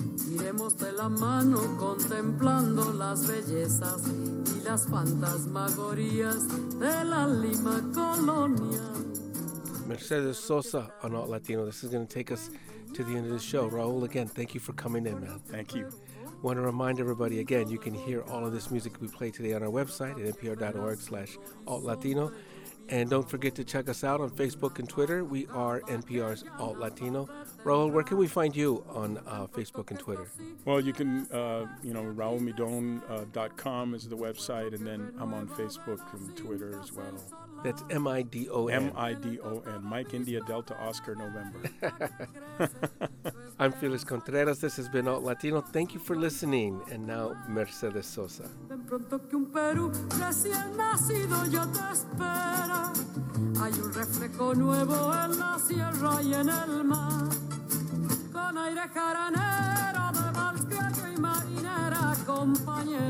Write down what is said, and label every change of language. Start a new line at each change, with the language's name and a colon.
Spanish: Iremos de la mano contemplando las bellezas y las fantasmagorías de la Lima colonia.
English: Mercedes Sosa on Alt Latino. This is going to take us to the end of the show. Raul, again, thank you for coming in, man. Thank you. I want to remind everybody again, you can hear all of this music we play today on our website at npr.org/altlatino. And don't forget to check us out on Facebook and Twitter. We are NPR's Alt Latino. Raul, where can we find you on Facebook and Twitter? Well, you can, raulmidon.com is the website, and then I'm on Facebook and Twitter as well. That's M-I-D-O-N. M-I-D-O-N. Mike India Delta Oscar November. I'm Felix Contreras. This has been Alt Latino. Thank you for listening. And now, Mercedes Sosa.
Spanish: Tan pronto que un Perú recién nacido ya te espera. Hay un reflejo nuevo en la sierra y en el mar. Con aire jaranero de vals, criollo y marinera, compañero.